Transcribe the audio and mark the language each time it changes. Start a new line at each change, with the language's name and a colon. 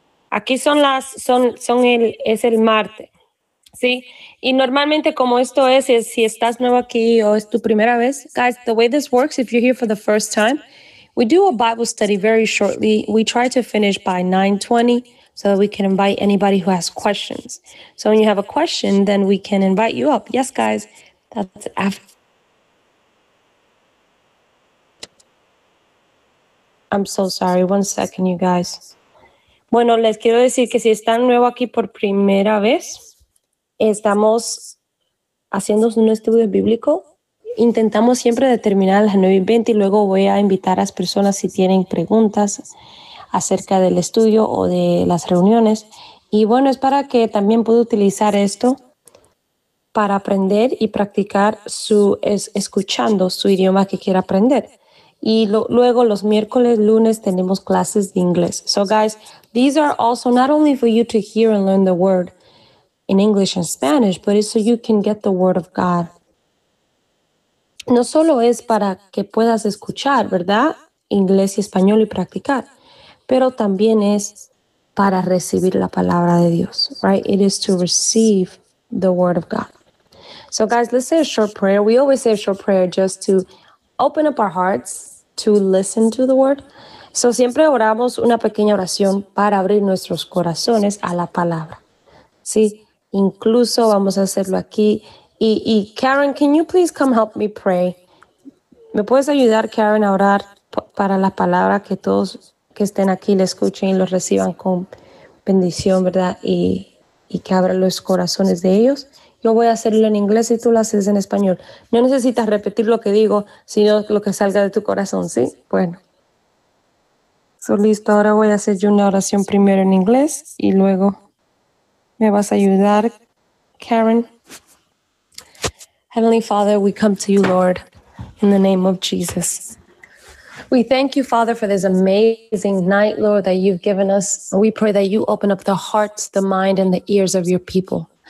Spanish: Aquí son las, son el, es el martes. Sí. Y normalmente como esto es, si estás nuevo aquí o es tu primera vez.
English: Guys, the way this works, if you're here for the first time, we do a Bible study very shortly. We try to finish by 9:20. So that we can invite anybody who has questions. So when you have a question, then we can invite you up. Yes, guys, that's after. I'm so sorry. One second, you guys.
Spanish: Bueno, les quiero decir que si están nuevos aquí por primera vez, estamos haciendo un estudio bíblico. Intentamos siempre terminar a las 9:20 y luego voy a invitar a las personas si tienen preguntas acerca del estudio o de las reuniones. Y bueno, es para que también pueda utilizar esto para aprender y practicar su escuchando su idioma que quiera aprender. Y luego los miércoles, lunes, tenemos clases de inglés.
English: So guys, these are also not only for you to hear and learn the word in English and Spanish, but it's so you can get the word of God.
Spanish: No solo es para que puedas escuchar, ¿verdad? Inglés y español y practicar, pero también es para recibir la palabra de Dios, right?
English: It is to receive the word of God. So guys, let's say a short prayer. We always say a short prayer just to open up our hearts to listen to the word.
Spanish: So siempre oramos una pequeña oración para abrir nuestros corazones a la palabra. Sí, incluso vamos a hacerlo aquí.
English: Y Karen, can you please come help me pray?
Spanish: ¿Me puedes ayudar, Karen, a orar para la palabra que todos que estén aquí le escuchen y lo reciban con bendición, ¿verdad? Y que abra los corazones de ellos. Yo voy a hacerlo en inglés y tú lo haces en español. No necesitas repetir lo que digo, sino lo que salga de tu corazón, ¿sí? Bueno. So, listo, ahora voy a hacer yo una oración primero en inglés y luego me vas a ayudar, Karen.
English: Heavenly Father, we come to you, Lord, in the name of Jesus. We thank you, Father, for this amazing night, Lord, that you've given us. We pray that you open up the hearts, the mind, and the ears of your people.